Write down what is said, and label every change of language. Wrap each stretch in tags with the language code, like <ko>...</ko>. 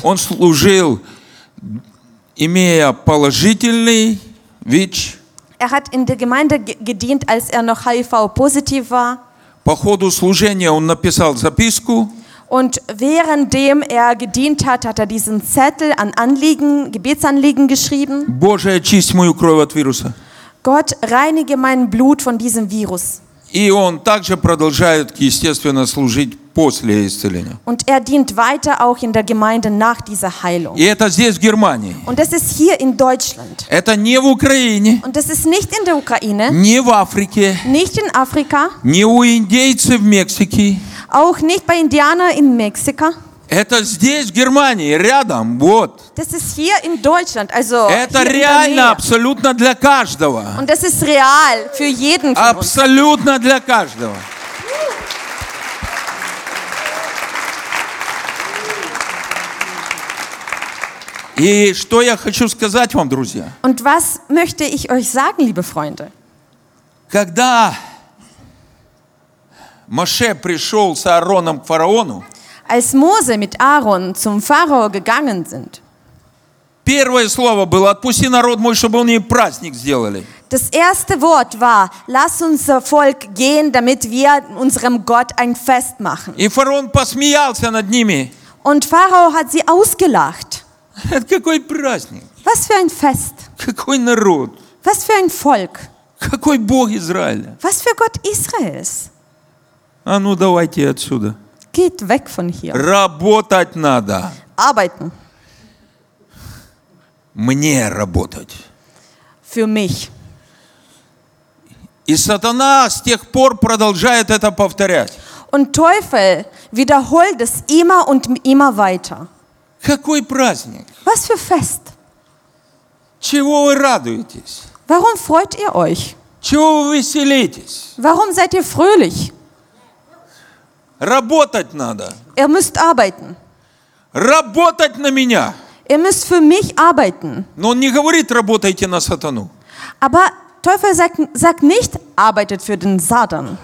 <ru>Он служил, имея положительный ВИЧ.</ru> <de>Er hat in der Gemeinde gedient, als er noch HIV-positiv war.</de> <ru>По ходу служения он написал записку.</ru> <de>Und währenddem er gedient hat, hat er diesen Zettel an Anliegen, Gebetsanliegen geschrieben.</de> <ru>Боже, очисти мою кровь от вируса.</ru> <de>Gott, reinige mein Blut von diesem Virus.</de> <ru>И он также продолжает, естественно, служить после исцеления.</ru> <de>Und er dient weiter auch in der Gemeinde nach dieser Heilung.</de> <ru>И это здесь, в Германии.</ru> <de>Und das ist hier in Deutschland.</de> <ru>Это не в Украине.</ru> <de>Und das ist nicht in der Ukraine.</de> <ru>Не в Африке.</ru> <de>Nicht in Afrika.</de> <ru>Не у индейцев в Мексике.</ru> <de>Auch nicht bei Indianern in Mexiko.</de> <ru>Это здесь, в Германии, рядом, вот.</ru> <de>Das ist hier in Deutschland, also</de> <ru>это реально, абсолютно для каждого.</ru> <de>Und das ist real für jeden von uns.</de> <ru>Абсолютно для каждого. И что я хочу сказать вам, друзья?</ru> <de>Und was möchte ich euch sagen, liebe Freunde?</de> <ru>Когда Моше пришел с Аароном к фараону,</ru> <de>als Mose mit Aaron zum Pharao gegangen sind.</de> <ru>Первое слово было: «Отпусти народ мой, чтобы они праздник сделали».</ru> <de>Das erste Wort war: «Lass unser Volk gehen, damit wir unserem Gott ein Fest machen».</de> <ru>И фараон посмеялся над ними.</ru> <de>Und Pharao hat sie ausgelacht.</de> <ru>Это какой праздник?</ru> <de>Was für ein Fest?</de> <ru>Какой народ?</ru> <de>Was für ein Volk?</de> <ru>Какой Бог Израиля?</ru> <de>Was für Gott Israels?</de> <ru>А ну давайте отсюда.</ru> <de>Geht weg von hier.</de> <ru>Работать надо.</ru> <de>Arbeiten.</de> <ru>Мне работать.</ru> <de>Für mich.</de> <ru>И сатана с тех пор продолжает это повторять.</ru> <de>Und Teufel wiederholt es immer und immer weiter.</de> <ru>Какой праздник?</ru> <de>Was für Fest?</de> <ru>Чего вы радуетесь?</ru> <de>Warum freut ihr euch?</de> <ru>Чего вы веселитесь?</ru> <de>Warum seid ihr fröhlich?</de> <ru>Работать надо.</ru> <de>Ihr müsst arbeiten.</de> <ru>Работать на меня.</ru> <de>Ihr müsst für mich arbeiten.</de> <ru>Но он не говорит, работайте на сатану.</ru> <de>Aber Teufel sagt nicht, arbeitet für den Satan.</de>